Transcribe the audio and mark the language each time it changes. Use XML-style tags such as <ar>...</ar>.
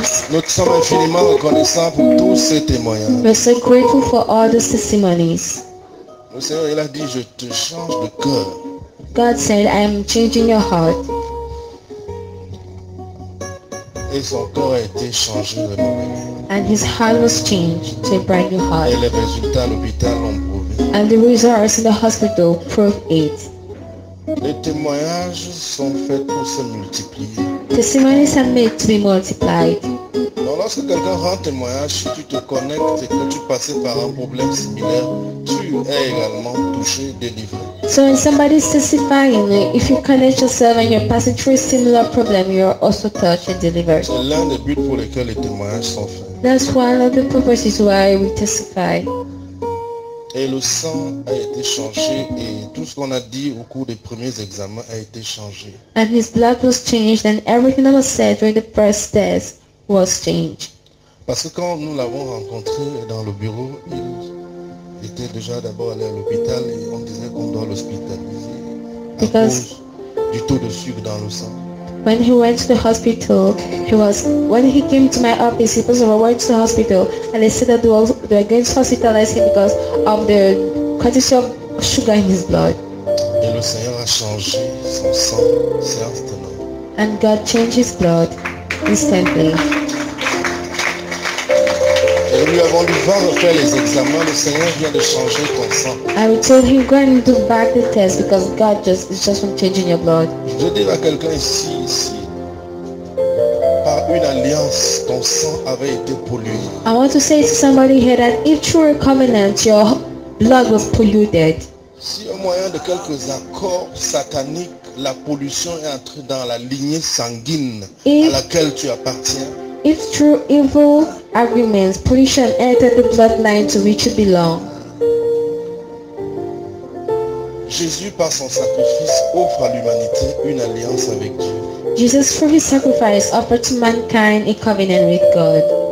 <fr>Nous sommes infiniment reconnaissants pour tous ces témoignages.</fr> <en>We're so grateful for all the testimonies.</en> <fr>Le Seigneur, il a dit, je te change de cœur.</fr> <en>God said, I am changing your heart.</en> <fr>Et son corps a été changé de nouveau.</fr> <en>And his heart was changed to a brand new heart.</en> <fr>Et les résultats à l'hôpital l'ont prouvé.</fr> <en>And the results in the hospital prove it.</en> <fr>Les témoignages sont faits pour se multiplier.</fr> <en>Testimonies are made to be multiplied.</en> <fr>Donc lorsque quelqu'un rend témoignage, si tu te connectes et que tu passes par un problème similaire, tu es également touché, délivré.</fr> <en>So when somebody is testifying, if you connect yourself and you're passing through a similar problem, you are also touched and delivered.</en> <fr>C'est l'un des buts pour lesquels les témoignages sont faits.</fr> <en>That's one of the purposes why we testify.</en> <fr>Et le sang a été changé et tout ce qu'on a dit au cours des premiers examens a été changé.</fr> <en>And his blood was changed and everything that was said during the first test was changed.</en> <fr>Parce que quand nous l'avons rencontré dans le bureau, il était déjà d'abord allé à l'hôpital et on disait qu'on doit l'hospitaliser à cause du taux de sucre dans le sang.</fr> <en>When he went to the hospital, when he came to my office, he was going to the hospital, and they said that they were going to hospitalize him because of the quantity of sugar in his blood.</en> <fr>Et le Seigneur a changé son sang, certainement.</fr> <en>And God changed his blood instantly.</en> <fr>Et lui avons dit, va refaire les examens, le Seigneur vient de changer ton sang.</fr> <en>I would tell him, go and do back the test because God is just from changing your blood.</en> <fr>Je dis à quelqu'un ici, par une alliance, ton sang avait été pollué.</fr> <en>I want to say to somebody here that if through a covenant, your blood was polluted.</en> <fr>Si au moyen de quelques accords sataniques, la pollution est entrée dans la lignée sanguine à laquelle tu appartiens.</fr> <en>If through evil agreements, pollution entered the bloodline to which you belong.</en> <fr>Jésus, par son sacrifice, offre à l'humanité une alliance avec Dieu.</fr> <en>Jesus, through his sacrifice, offered to mankind a covenant with God.</en>